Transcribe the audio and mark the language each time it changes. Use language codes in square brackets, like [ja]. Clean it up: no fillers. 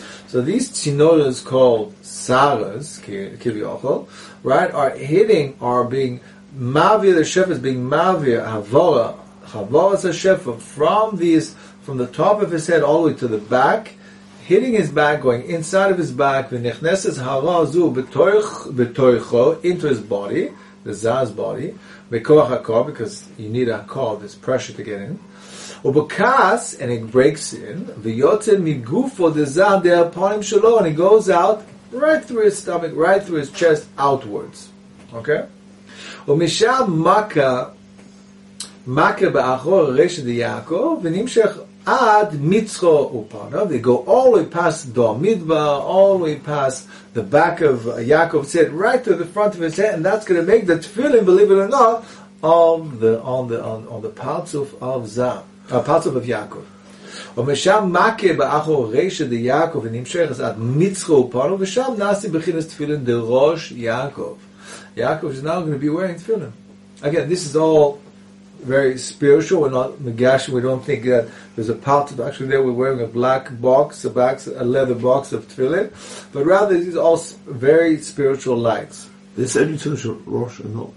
[en] So these tsinodas called saras, kiliyachol, right, are hitting, are being mavir, the shefa is being mavir, havara, havara is a shefa, from these, from the top of his head all the way to the back, hitting his back, going inside of his back, [he] v'nechneses hara zu b'toycho, [en] into his body, the za's body, v'koach hakor, because you need a hakor, this pressure to get in, ubakas, and it breaks in, [he] v'yotze migufo de za de aponim shalom, [en] and it goes out, right through his stomach, right through his chest, outwards. Okay? [he] ומשאב מכה באחור רשת יעקב ונמשך עד מצחו ופנה. [en] They go all the way past Dormidbar, all the way past the back of Yaakov's head, right to the front of his head, and that's going to make the tefillin, believe it or not, on the parzuf of Zah, parzuf of Yaakov. [he] ומשאב מכה באחור רשת יעקב ונמשך עד מצחו ופנה ושם נעשי בכינס תפילין דרוש יעקב. [en] Yaakov is now going to be wearing tefillin. Again, this is all very spiritual. We're not Megash. We don't think that there's a part of actually there. We're wearing a black box, a leather box of tefillin. But rather, these are all very spiritual lights. This only tells you Rosh and not.